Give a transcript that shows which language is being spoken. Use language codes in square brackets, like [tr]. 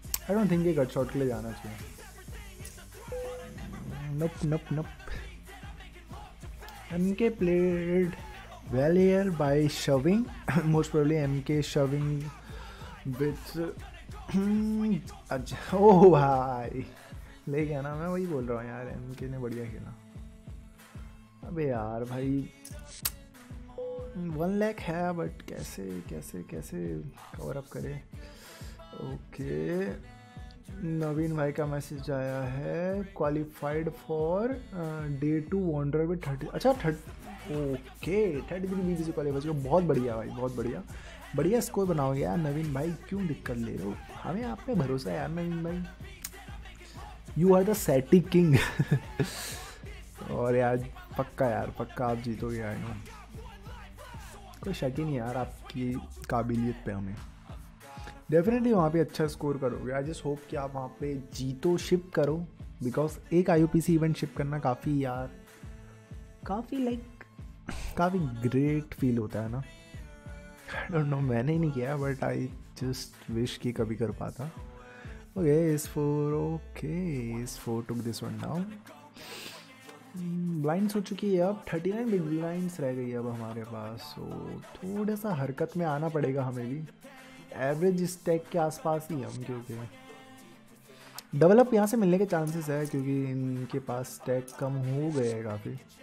[en] I don't think [hi] ye gut shot ke liye jana chahiye. Nope. [en] MK played well here by shoving. Most probably MK shoving with oh [hi] bhai ले गया ना. मैं वही बोल रहा हूँ यार, एमके ने बढ़िया खेला. अबे यार भाई 1,00,000 है, बट कैसे कवर अप करें. ओके नवीन भाई का मैसेज आया है, [en] Qualified for day 2 wonder with 30. [hi] अच्छा ओके 33 बीजी से क्वालिफाई. बहुत बढ़िया भाई, बहुत बढ़िया बढ़िया स्कोर बनाओगे यार नवीन भाई. क्यों दिक्कत ले रहे हो, हमें आप पे भरोसा है यार नवीन भाई. [en] You are the SETI king. [hi] और यार पक्का, यार पक्का आप जीतोगे आई नो, कोई शक ही नहीं यार आपकी काबिलियत पे, हमें डेफिनेटली वहाँ पे अच्छा स्कोर करोगे। [en] I just hope [hi] कि आप वहाँ पे जीतो, शिप करो, बिकॉज एक IUPC इवेंट शिप करना काफ़ी यार काफ़ी ग्रेट फील होता है ना। [en] I don't know, [hi] मैंने ही नहीं किया [en] but I just wish [hi] कि कभी कर पाता। [en] Okay S4, okay S4 took this one down। [hi] Blinds हो चुकी है अब, 39 बिग ब्लाइंड्स रह गई है अब हमारे पास, सो थोड़ा सा हरकत में आना पड़ेगा हमें भी। एवरेज स्टैक के आसपास ही हम, क्योंकि डेवलप यहाँ से मिलने के चांसेस है क्योंकि इनके पास स्टैक कम हो गए है काफ़ी।